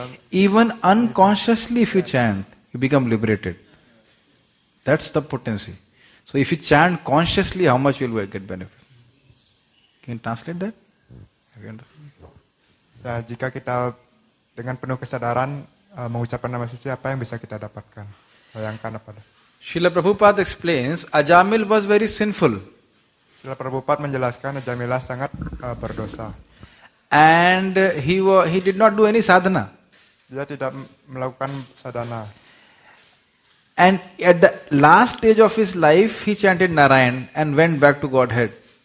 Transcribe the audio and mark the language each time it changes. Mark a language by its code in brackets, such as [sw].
[en] Even unconsciously, if you chant, you become liberated. That's the potency. So, if you chant consciously, how much will we get benefit? Can you translate that? Have you understood? [id] Nah, jika kita dengan penuh kesadaran mengucapkan nama suci, apa yang bisa kita dapatkan? Bayangkan apa? [en] Srila Prabhupada explains, Ajamil was very sinful. [id] Srila Prabhupada menjelaskan, Ajamila sangat berdosa. [en] And he did not do any sadhana. [id] Dia tidak melakukan sadhana. [en] And at the last stage of his life, he chanted Narayan and went back to Godhead.